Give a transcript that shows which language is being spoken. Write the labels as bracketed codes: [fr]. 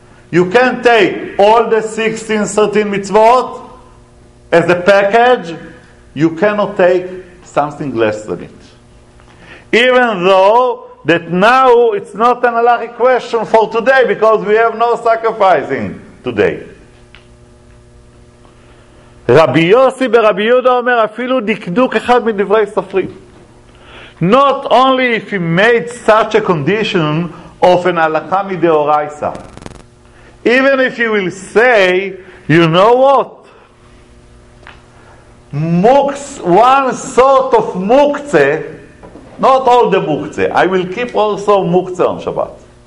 [en] You can take all the 16, 13 mitzvot as a package, you cannot take something less than it. Even though that now it's not an halachic question for today because we have no sacrificing today. [he] Rabbi Yossi ב-Rabbi Yehuda אומר אפילו דקדוק אחד מדברי סופרים. [en] Not only if he made such a condition of an halakha midoraisa, even if he will say, you know what? One sort of mukze, not all the mukze, I will keep also mukze on Shabbat.